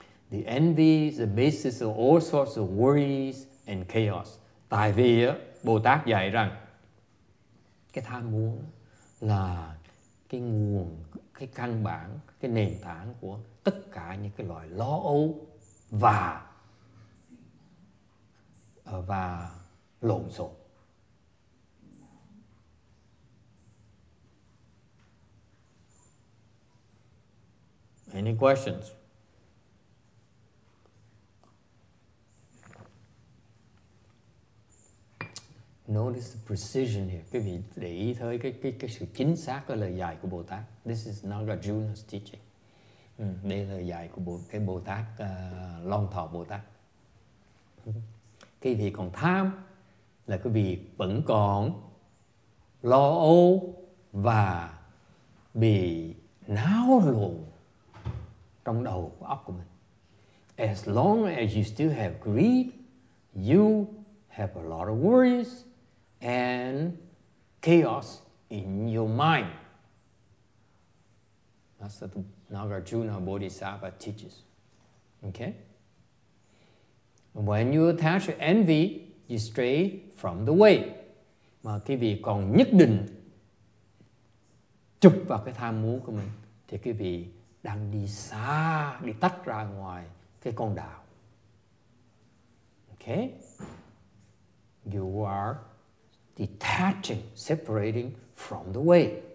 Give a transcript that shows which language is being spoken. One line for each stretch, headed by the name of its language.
English: The envy is the basis of all sorts of worries and chaos.
Vietnamese: Tại vì Bồ Tát dạy rằng cái tham muốn là cái nguồn, cái căn bản, cái nền tảng của tất cả những cái loại lo âu và lộn xộn.
English: Any questions? Notice the precision here.
Vietnamese: Quý vị để ý thấy cái sự chính xác của lời dạy của Bồ Tát.
English: This is Nagarjuna's teaching.
Vietnamese: Đây là lời dạy của Bồ Tát Long Thọ Bồ Tát. Quý vị còn tham là quý vị vẫn còn lo âu và bị náo loạn trong đầu óc của mình.
English: As long as you still have greed, you have a lot of worries and chaos in your mind. That's what Nagarjuna Bodhisattva teaches. Okay? When you attach envy, you stray from the way.
Vietnamese: Mà quý vị còn nhất định chụp vào cái tham muốn của mình, thì quý vị đang đi xa, đi tách ra ngoài cái con đạo. Okay?
English: You are detaching, separating from the way.